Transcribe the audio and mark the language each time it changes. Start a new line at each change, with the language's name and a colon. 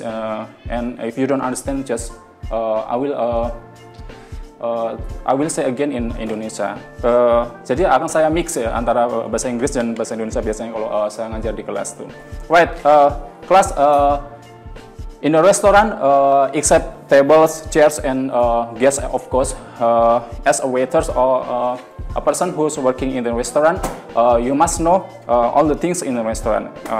English: And if you don't understand, just I will say again in Indonesia.
Indonesian: Jadi akan saya mix ya antara bahasa Inggris dan bahasa Indonesia biasanya kalau saya ngajar di kelas tuh.
English: Right, class in the restaurant except tables, chairs and guests of course, as a waiter or a person who's working in the restaurant, you must know all the things in the restaurant.